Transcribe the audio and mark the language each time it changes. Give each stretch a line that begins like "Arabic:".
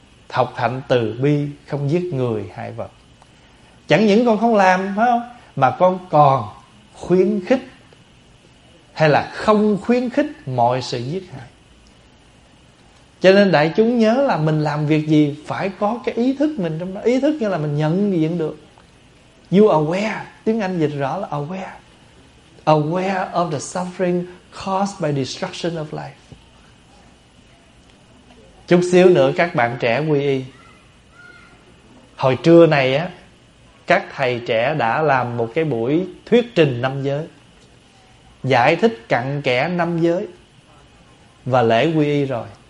Vietnamese: học hạnh từ bi, không giết người hại vật. Chẳng những con không làm phải không, mà con còn khuyến khích hay là không khuyến khích mọi sự giết hại. Cho nên đại chúng nhớ là mình làm việc gì phải có cái ý thức mình trong đó. Ý thức như là mình nhận diện được.
English: You aware,
Vietnamese: tiếng Anh dịch rõ là aware.
English: Aware of the suffering caused by destruction of life.
Vietnamese: Chút xíu nữa các bạn trẻ quy y. Hồi trưa này á, các thầy trẻ đã làm một cái buổi thuyết trình năm giới, giải thích cặn kẽ năm giới và lễ quy y rồi.